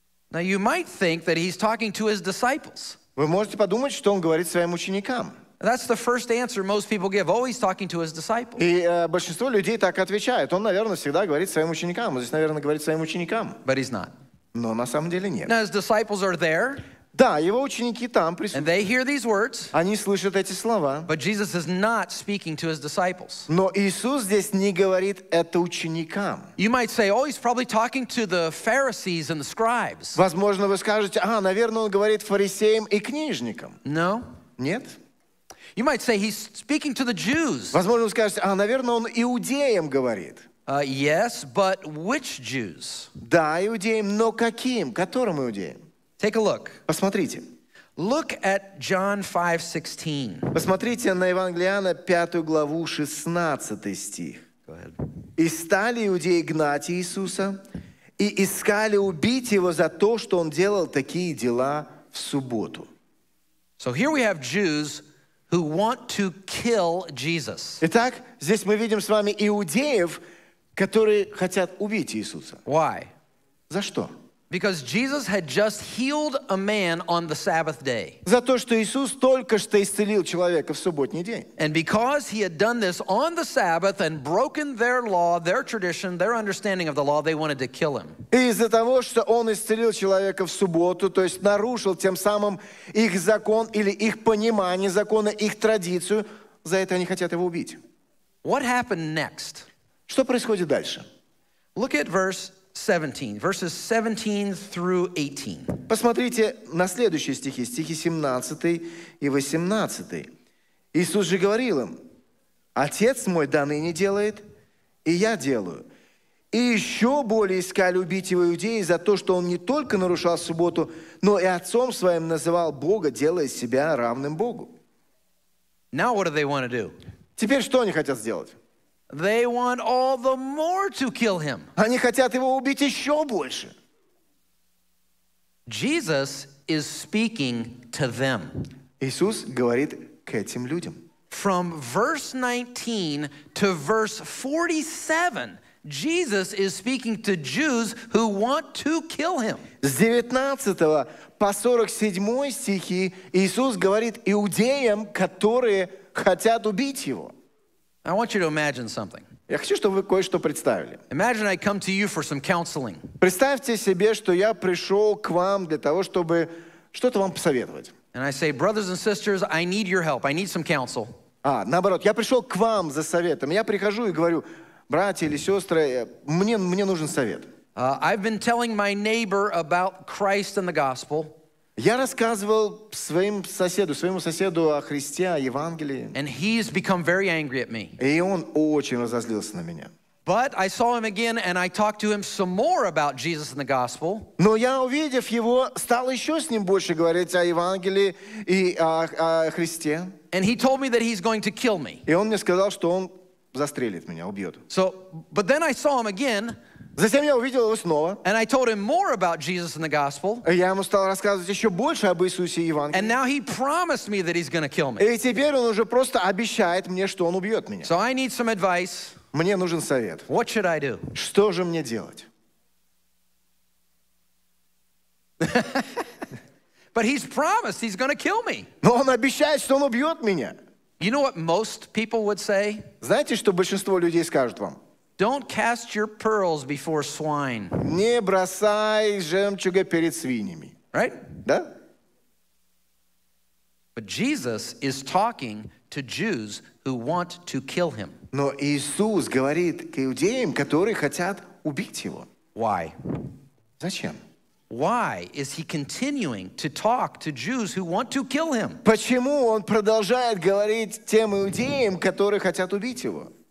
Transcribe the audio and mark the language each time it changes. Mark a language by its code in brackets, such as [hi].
[en] Now you might think that he's talking to his disciples. [ru] Вы можете подумать, что он говорит своим ученикам. [en] That's the first answer most people give. Always talking to his disciples. [ru] И большинство людей так отвечают. Он, наверное, всегда говорит своим ученикам. Он здесь, наверное, говорит своим ученикам. [en] But he's not. [ru] Но на самом деле нет. [en] Now his disciples are there. [ru] Да, его ученики там присутствуют. [en] And they hear these words. [ru] Они слышат эти слова. [en] But Jesus is not speaking to his disciples. [ru] Но Иисус здесь не говорит это ученикам. [en] You might say, oh, he's probably talking to the Pharisees and the scribes. [ru] Возможно, вы скажете, а, наверное, он говорит фарисеям и книжникам. [en] No. [ru] Нет. [en] You might say he's speaking to the Jews. [ru] Возможно, вы скажете, а, наверное, он иудеям говорит. [en] Yes, but which Jews? [ru] Да, иудеям, но каким? Которым иудеям? [en] Take a look. [ru] Посмотрите. [en] Look at John 5:16. [ru] Посмотрите на Евангелие Иоанна 5 главу 16 стих. [en] Go ahead. [ru] И стали иудеи гнать Иисуса и искали убить его за то, что он делал такие дела в субботу. [en] So here we have Jews who want to kill Jesus. [ru] Итак, здесь мы видим с вами иудеев, которые хотят убить Иисуса. [en] Why? [ru] За что? [en] Because Jesus had just healed a man on the Sabbath day. [ru] За то, что Иисус только что исцелил человека в субботний день. [en] And because he had done this on the Sabbath and broken their law, their tradition, their understanding of the law, they wanted to kill him. [ru] И из-за того, что он исцелил человека в субботу, то есть нарушил тем самым их закон или их понимание закона, их традицию, за это они хотят его убить. [en] What happened next? [ru] Что происходит дальше? [en] Look at verses 17 through 18. [ru] Посмотрите на следующие стихи, стихи 17 и 18. Иисус же говорил им, «Отец мой доныне делает, и я делаю». И еще более искали убить его иудеи за то, что он не только нарушал субботу, но и отцом своим называл Бога, делая себя равным Богу. [en] Now what do they want to do? [ru] Теперь что они хотят сделать? [en] They want all the more to kill him. [ru] Они хотят его убить еще больше. [en] Jesus is speaking to them. [ru] Иисус говорит к этим людям. [en] From verse 19 to verse 47, Jesus is speaking to Jews who want to kill him. [ru] С 19 по 47 стихи Иисус говорит иудеям, которые хотят убить его. [en] I want you to imagine something. [ru] Я хочу, чтобы вы кое-что представили. [en] Imagine I come to you for some counseling. [ru] Представьте себе, что я пришел к вам для того, чтобы что-то вам посоветовать. [en] And I say, brothers and sisters, I need your help. I need some counsel. [ru] А, наоборот, я пришел к вам за советом. Я прихожу и говорю, братья или сестры, мне нужен совет. [en] I've been telling my neighbor about Christ and the gospel. [ru] Я рассказывал своему соседу о Христе, о Евангелии. [en] And he's become very angry at me. [ru] И он очень разозлился на меня. [en] But I saw him again and I talked to him some more about Jesus and the gospel. [ru] Но я, увидев его, стал еще с ним больше говорить о Евангелии и о Христе. [en] And he told me that he's going to kill me. [ru] И он мне сказал, что он застрелит меня, убьет. [en] So, but then I saw him again. [ru] Затем я увидел его снова. [en] And I told him more about Jesus and the gospel. [ru] Я ему стал рассказывать еще больше об Иисусе и Евангелии. [en] And now he promised me that he's going to kill me. [ru] И теперь он уже просто обещает мне, что он убьет меня. [en] So I need some advice. [ru] Мне нужен совет. [en] What should I do? [ru] Что же мне делать? [en] But he's promised he's going to kill me. [ru] Но он обещает, что он убьет меня. [en] You know what most people would say? [ru] Знаете, что большинство людей скажут вам? [en] Don't cast your pearls before swine. [ru] Не бросай жемчуга перед свиньями. [en] Right? [ru] Да? [en] But Jesus is talking to Jews who want to kill him. [ru] Но Иисус говорит к иудеям, которые хотят убить его. [en] Why? [ru] Зачем? [en] Why is he continuing to talk to Jews who want to kill him? [ru] Почему он продолжает говорить тем иудеям, которые хотят убить его?